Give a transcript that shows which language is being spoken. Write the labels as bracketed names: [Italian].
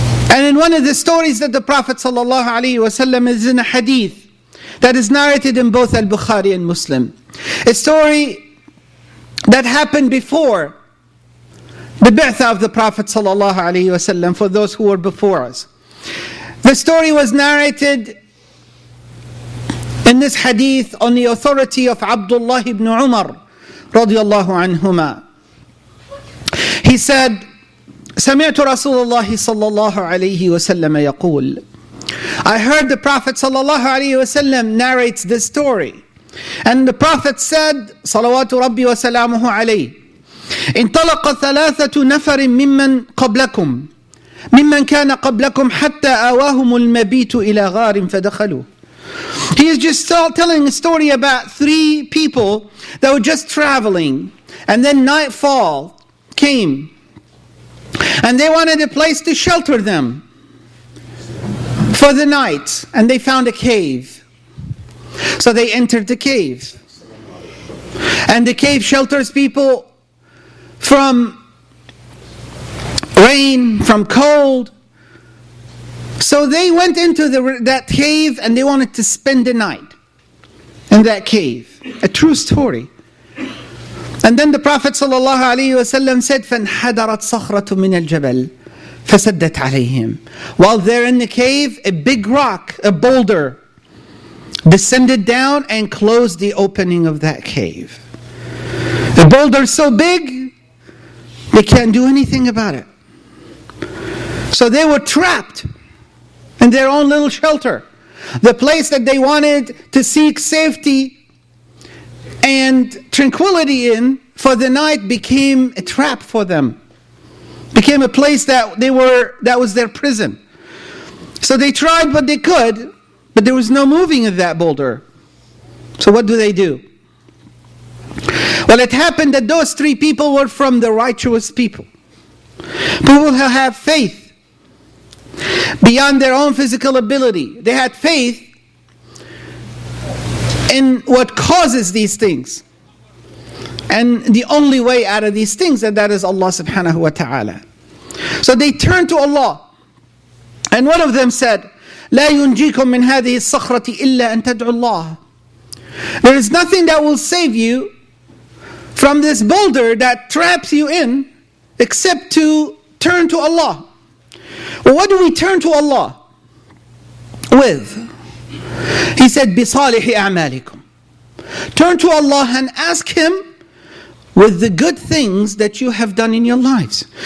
[English] And in one of the stories that the Prophet sallallahu alaihi wasallam is in a hadith that is narrated in both al-Bukhari and Muslim, a story that happened before the birth of the Prophet sallallahu alaihi wasallam, for those who were before us. The story was narrated in this hadith on the authority of Abdullah ibn Umar radiyallahu anhuma. He said, [Arabic] سمعت رسول الله صلى الله عليه وسلم يقول. [English] I heard the Prophet صلى الله عليه وسلم narrates this story. And the Prophet said, [Arabic] صلوات ربي وسلامه عليه. انطلق ثلاثة نفر ممن قبلكم. ممن كان قبلكم حتى آواهم المبيت إلى غار فدخلوا. [English] He is just telling a story about three people that were just traveling. And then nightfall came. And they wanted a place to shelter them for the night. And they found a cave. So they entered the cave. And the cave shelters people from rain, from cold. So they went into that cave and they wanted to spend the night in that cave. A true story. And then the Prophet ﷺ said, [Arabic] فَانْحَدَرَتْ صَخْرَةٌ مِنَ الْجَبَلِ فَسَدَّتْ عَلَيْهِمْ. [English] While they're in the cave, a big rock, a boulder, descended down and closed the opening of that cave. The boulder is so big, they can't do anything about it. So they were trapped in their own little shelter. The place that they wanted to seek safety and tranquility in for the night became a trap for them. Became a place that they were, that was their prison. So they tried what they could, but there was no moving of that boulder. So what do they do? Well, it happened that those three people were from the righteous people. People who have faith beyond their own physical ability. They had faith in what causes these things. And the only way out of these things, and that is Allah subhanahu wa ta'ala. So they turned to Allah. And one of them said, [Arabic] لا ينجيكم من هذه الصخرة إلا أن تدعو الله. [English] There is nothing that will save you from this boulder that traps you in, except to turn to Allah. Well, what do we turn to Allah with? He said, [Arabic] بصالح أعمالكم. [English] Turn to Allah and ask Him with the good things that you have done in your lives.